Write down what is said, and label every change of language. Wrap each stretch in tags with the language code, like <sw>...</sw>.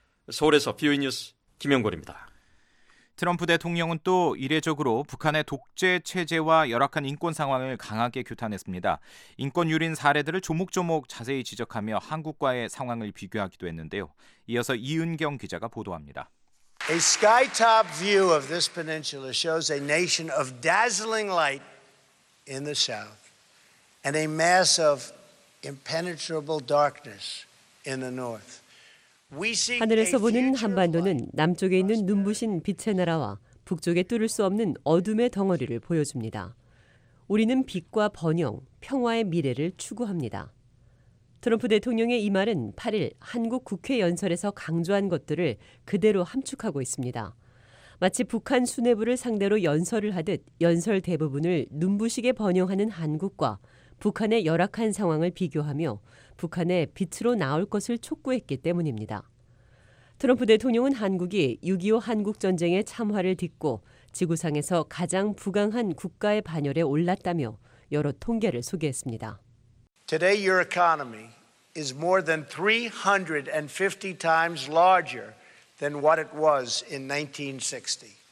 <ko>서울에서 VOA 뉴스 김영걸입니다. 트럼프 대통령은 또 이례적으로 북한의 독재 체제와 열악한 인권 상황을 강하게 규탄했습니다. 인권 유린 사례들을 조목조목 자세히 지적하며 한국과의 상황을 비교하기도 했는데요. 이어서 이은경 기자가 보도합니다.</ko> <en>A sky-top view of this peninsula shows a nation of dazzling light in the south and a mass of impenetrable darkness in the north.</en> <ko>하늘에서 보는 한반도는 남쪽에 있는 눈부신 빛의 나라와 북쪽에 뚫을 수 없는 어둠의 덩어리를 보여줍니다. 우리는 빛과 번영, 평화의 미래를 추구합니다. 트럼프 대통령의 이 말은 8일 한국 국회 연설에서 강조한 것들을 그대로 함축하고 있습니다. 마치 북한 수뇌부를 상대로 연설을 하듯 연설 대부분을 눈부시게 번영하는 한국과 북한의 열악한 상황을 비교하며 북한의 빛으로 나올 것을 촉구했기 때문입니다. 트럼프 대통령은 한국이 6.25 한국전쟁의 참화를 딛고 지구상에서 가장 부강한 국가의 반열에 올랐다며 여러 통계를 소개했습니다.</ko> <en>Today your economy is more than 350 times larger than what it was in 1960.</en>